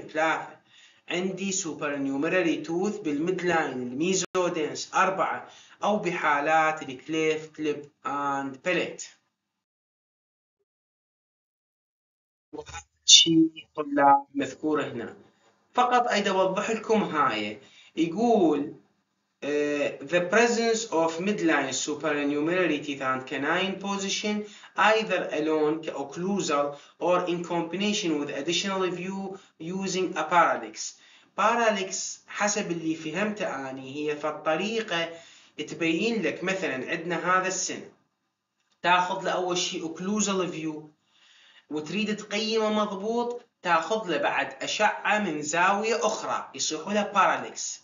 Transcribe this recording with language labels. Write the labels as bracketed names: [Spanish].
[Arabic] ثلاثه عندي سوبر نيومراري توث بالميد لاين الميزودنس. اربعه او بحالات الكليف كليب اند باليت. شيء طلاب مذكور هنا فقط اريد اوضح لكم، هاي يقول [English] the presence of midline supernumerary teeth and canine position either alone occlusal or in combination with additional view using a parallax. [Arabic] Parallax حسب اللي فهمت اني هي فالطريقة تبين لك مثلا عندنا هذا السنة تاخذ لأول شيء occlusal view وتريد تقيمه مضبوط تاخذ له بعد اشعه من زاويه اخرى يصيحوا له باراليكس.